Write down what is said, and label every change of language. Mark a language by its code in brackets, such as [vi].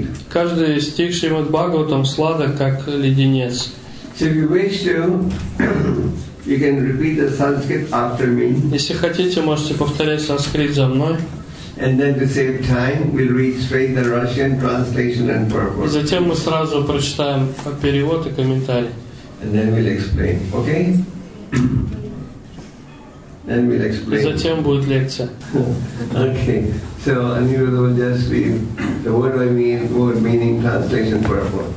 [ru] Каждый стих Шримад Бхагаватам сладок, как леденец. Если хотите, можете повторять санскрит за мной. [en] And then to save time, we'll read straight the Russian translation and purport. [ru] Затем мы сразу прочитаем перевод и комментарий. [en] And then we'll explain, okay? Then we'll explain. [ru] Затем будет лекция. [en] Okay. So, Anirudha will just read the word I mean, word meaning, translation, purport.